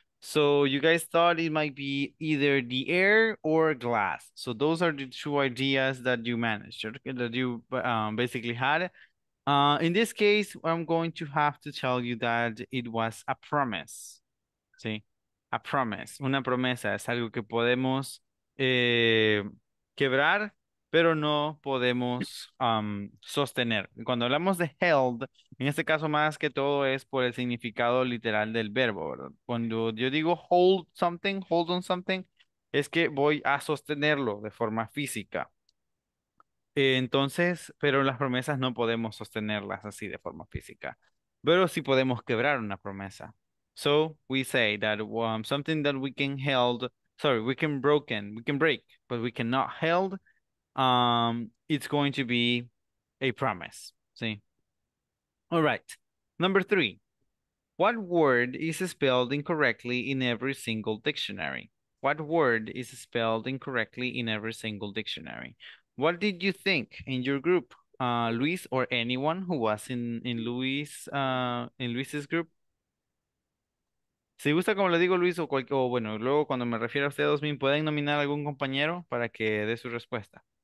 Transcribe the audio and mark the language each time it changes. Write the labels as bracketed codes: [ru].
[en] So you guys thought it might be either the air or glass. So those are the two ideas that you managed, okay, that you basically had. In this case, I'm going to have to tell you that it was a promise. ¿Sí? A promise. [es] Una promesa es algo que podemos quebrar, pero no podemos sostener. Cuando hablamos de held, en este caso más que todo es por el significado literal del verbo, ¿verdad? Cuando yo digo [en] hold something, hold on something, [es] es que voy a sostenerlo de forma física. Entonces, pero las promesas no podemos sostenerlas así de forma física. Pero sí podemos quebrar una promesa. [en] So we say that something that we can held, sorry, we can broken, we can break, but we cannot held, it's going to be a promise. See? All right. Number three. What word is spelled incorrectly in every single dictionary? What word is spelled incorrectly in every single dictionary? What did you think in your group, Luis, or anyone who was in Luis's group? [es] Si gusta, como le digo, Luis, o bueno, luego cuando me refiero a ustedes, me pueden nominar algún compañero para que dé su respuesta.